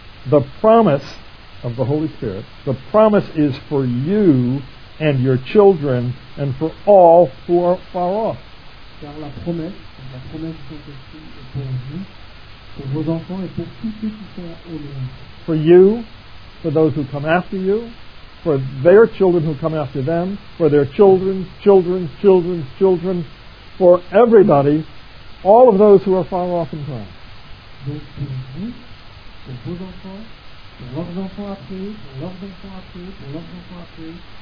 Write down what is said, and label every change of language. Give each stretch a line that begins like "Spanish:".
English: The promise of the Holy Spirit, the promise is for you and your children and for all who are far off.
French: Car la promesse de Saint-Esprit est pour vous, pour vos enfants et pour tous ceux qui sont au loin.
English: For you, for those who come after you, for their children who come after them, for their children, children, children, children, for everybody, all of those who are far off in time.
French: Donc pour vous, pour vos enfants, pour leurs enfants après, pour leurs enfants après, pour leurs enfants après.